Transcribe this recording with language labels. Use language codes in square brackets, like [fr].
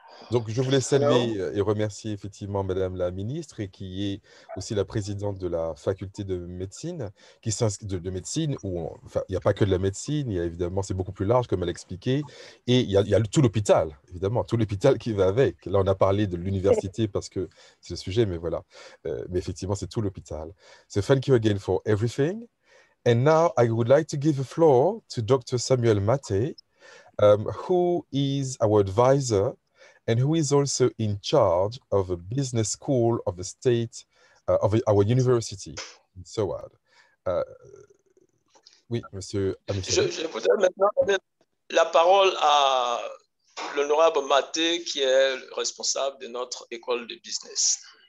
[fr] Donc, je voulais saluer et remercier effectivement Madame la Ministre et qui est aussi la présidente de la faculté de médecine, qui s'inscrit de médecine, où on, enfin, il n'y a pas que de la médecine, il y a évidemment, c'est beaucoup plus large, comme elle a expliqué, et il y a tout l'hôpital, évidemment, tout l'hôpital qui va avec. Là, on a parlé de l'université parce que c'est le sujet, mais voilà. Mais effectivement, c'est tout l'hôpital. [en] So, thank you again for everything. And now, I would like to give the floor to Dr. Samuel Maté, who is our advisor, and who is also in charge of a business school of the state, of our university, and so on. [fr] Oui, monsieur Amichel. Je voudrais maintenant donner la parole à l'honorable Maté, qui est responsable de notre école de business.